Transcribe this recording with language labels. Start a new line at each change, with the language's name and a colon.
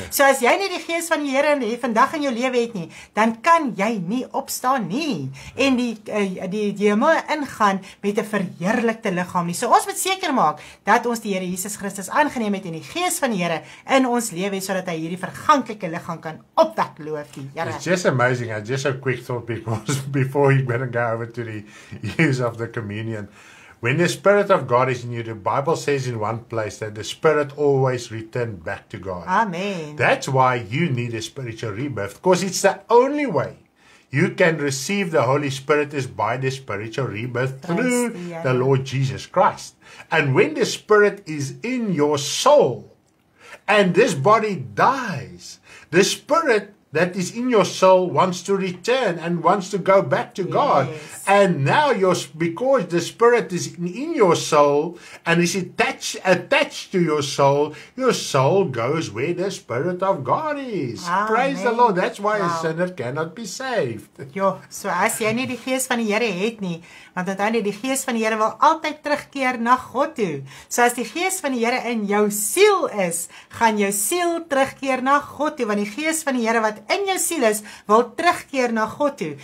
Afrikaans: So as jy nie die gees van die Here vandag in jou lewe het nie, dan kan jy nie opstaan nie, en die hemel ingaan met 'n verheerlikte liggaam nie. So ons moet seker maak, dat ons die Here Jesus Christus aangeneem het, en die gees van die Here in ons lewe het, so dat hy hierdie verganklike liggaam kan opwek, loof die Here.
English: It's just amazing, I just a quick thought, before you better go over to the use of the communion. When the Spirit of God is in you, the Bible says in one place that the Spirit always returns back to God. Amen. That's why you need a spiritual rebirth, because it's the only way you can receive the Holy Spirit is by the spiritual rebirth through the Lord Jesus Christ. And when the Spirit is in your soul and this body dies, the spirit that is in your soul wants to return and wants to go back to God. And now because the spirit is in your soul and is attached to your soul goes where the spirit of God is. Amen. Praise the Lord. That's why a sinner cannot be saved.
Afrikaans: Jo, so as jy nie die gees van die Here het nie, want uiteindelik die gees van die Here wil altyd terugkeer na God toe. So as die gees van die Here in jou siel is, gaan jou siel terugkeer na God toe, want die gees van die Here wat in jou siel is, wil terugkeer na God toe.